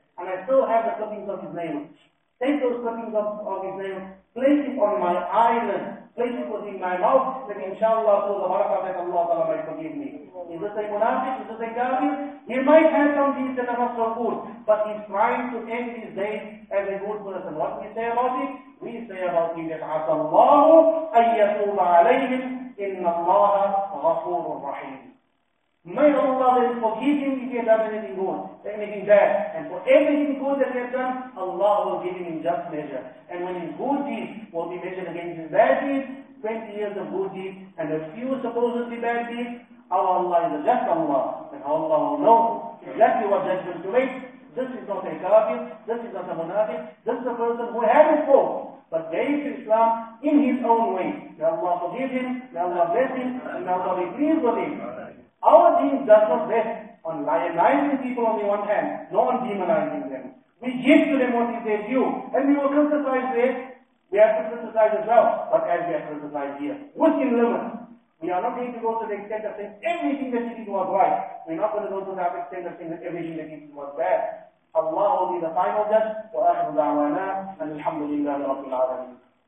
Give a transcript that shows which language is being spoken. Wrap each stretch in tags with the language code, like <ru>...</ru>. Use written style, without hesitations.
<en>And I still have the clippings of his nails. Take those clippings of his nails, place it on my eyelid, place it within my mouth, that inshallah through the barakah that Allah ta'ala might forgive me. Is this a munafiq? Is this a kafir? He might have some deeds that are not so good, but he's trying to end his days as a good person. What we say about it? We say about him that</en> <ar>عَسَى اللَّهُ أَنْ يَتُوبَ عَلَيْهِمْ إِنَّ اللَّهَ غَفُورٌ رَحِيمٌ.</ar> <en>May Allah forgive him if he has done anything good, anything bad. And for everything good that he has done, Allah will give him in just measure. And when his good deeds will be measured against his bad deeds, 20 years of good deeds and a few supposedly bad deeds, our Allah is a just Allah. And how Allah will know exactly what judgment to make. This is not a kafir, this is not a munafiq, this is a person who had a fault, but gave Islam in his own way. May Allah forgive him, may Allah bless him, and may Allah be pleased with him. Our deen does not rest on lionizing people on the one hand, nor on demonizing them. We give to them what is their due, and we will criticize there. We have to criticize as well, but as we have criticized here, within limits. We are not going to go to the extent of saying everything that he did was right. We are not going to go to the extent of saying that everything that he did was bad. Allah will be the final judge.</en> <ar>وآخر دعوانا أن الحمد لله رب العالمين.</ar>